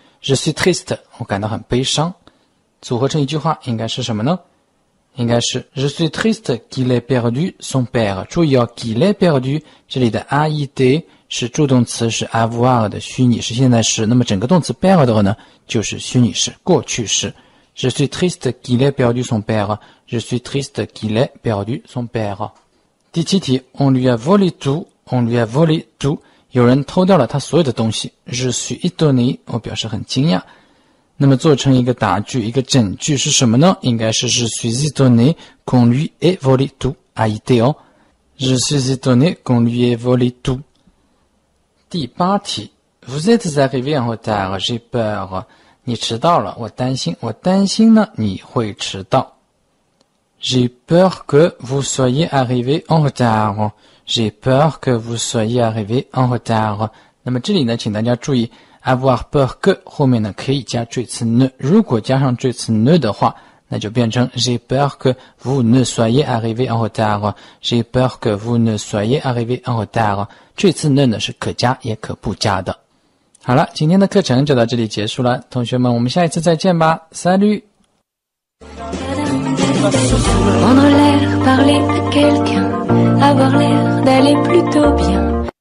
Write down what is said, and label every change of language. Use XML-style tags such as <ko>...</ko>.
<fr>Je suis triste,</fr> <zh>我感到很悲伤。组合成一句话应该是什么呢？应该是</zh> <fr>Je suis triste qu'il ait perdu son père.</fr> <zh>注意哦</zh> <fr>qu'il ait perdu,</fr> <zh>这里的 aide 是助动词，是 avoir 的虚拟式现在时，那么整个动词 perdre 呢就是虚拟式过去式。</zh> <fr>Je suis triste qu'il ait perdu son père. Je suis triste qu'il ait perdu son père.</fr> <zh>第七题</zh> <fr>On lui a volé tout. On lui a volé tout.</fr> <zh>有人偷掉了他所有的东西。</zh> <fr>Je suis étonné.</fr> <zh>我表示很惊讶。那么做成一个打句一个整句是什么呢？应该是</zh> <fr>Je suis étonné qu'on lui ait volé tout. Aïté 哦。 Je suis étonné qu'on lui ait volé tout.</fr> <zh>第八题</zh> <fr>Vous êtes arrivé en retard. J'ai peur.</fr> <zh>你迟到了，我担心呢你会迟到。</zh> <fr>J'ai peur que vous soyez arrivé en retard. J'ai peur que vous soyez arrivé en retard.</fr> <zh>那么这里呢请大家注意</zh> <fr>avoir peur que</fr> <zh>后面呢可以加缀词 ne。如果加上缀词</zh> <fr>ne</fr> <zh>的话那就变成</zh> <fr>J'ai peur que vous ne soyez arrivé en retard. J'ai peur que vous ne soyez arrivé en retard.</fr> <zh>缀词 ne 呢是可加也可不加的。好了，今天的课程就到这里结束了，同学们，我们下一次再见吧 ，salut。</zh>